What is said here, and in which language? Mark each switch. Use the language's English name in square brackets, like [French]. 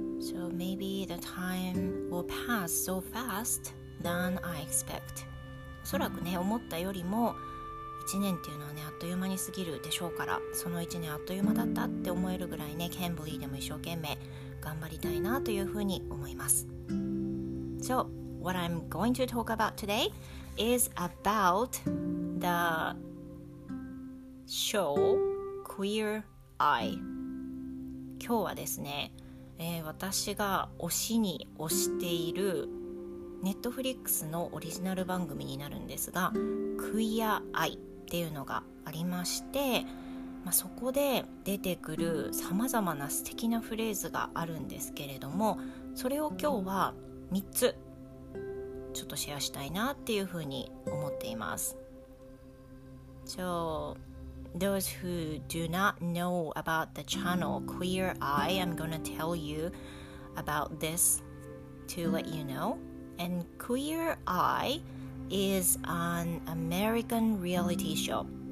[English] So maybe the time will pass so fast than I expect. [Japanese] おそらくね、思ったよりも1年っていうのはね、あっという間に過ぎるでしょうから、その1年あっという間だったって思えるぐらいね、ケンブリーでも一生懸命頑張りたいなというふうに思います。 [English] So what I'm going to talk about today is about the show Queer Eye。 [Japanese] 今日はですね、私が推しに推しているネットフリックスのオリジナル番組になるんですが、クイアアイっていうのがありまして、まあ、そこで出てくるさまざまな素敵なフレーズがあるんですけれども、それを今日は3つちょっとシェアしたいなっていうふうに思っています。 [English] So those who do not know about the channel Queer Eye, I'm gonna tell you about this to let you knowAnd Queer Eye is an American reality show.